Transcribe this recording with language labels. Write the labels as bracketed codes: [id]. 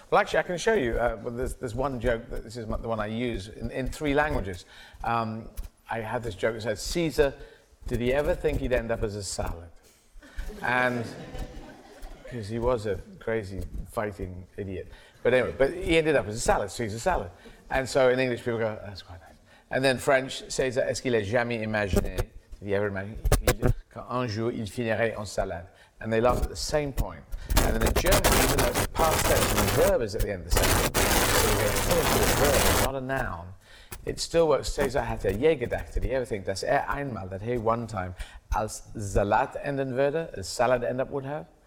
[en] Well, actually, I can show you, there's one joke, that this is the one I use in three languages. I had this joke that says, Caesar, did he ever think he'd end up as a salad? And, because he was a crazy fighting idiot. But anyway, but he ended up as a salad, Caesar salad. And so in English, people go, that's quite nice. And then French, [fr] César, est-ce qu'il a jamais imaginé, [en] did he ever imagine, [fr] qu'un jour il finirait en salade? [en] And they laugh at the same point. And then in German, even though it's a past tense and the verb is at the end of the sentence, so you get a verb, not a noun, it still works. [de] César hatte je gedacht, [en] did he ever think, [de] dass einmal, [en] that he one time, [de] als Salat enden würde, [en] as salad end up would have?